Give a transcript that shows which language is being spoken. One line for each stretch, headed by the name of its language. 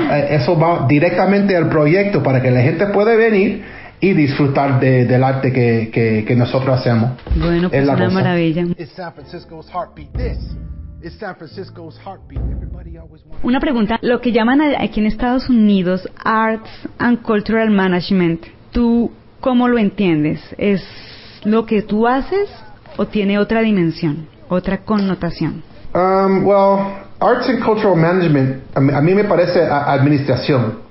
Spanish: Eso va directamente al proyecto para que la gente pueda venir y disfrutar del arte que nosotros hacemos. Bueno, pues es una maravilla.
English: Es San Francisco's heartbeat. This is San Francisco's heartbeat. Everybody always wants...
Spanish: Una pregunta. Lo que llaman aquí en Estados Unidos Arts and Cultural Management, ¿tú cómo lo entiendes? ¿Es lo que tú haces o tiene otra dimensión, otra connotación? Well, Arts and Cultural Management, a mí me parece administración.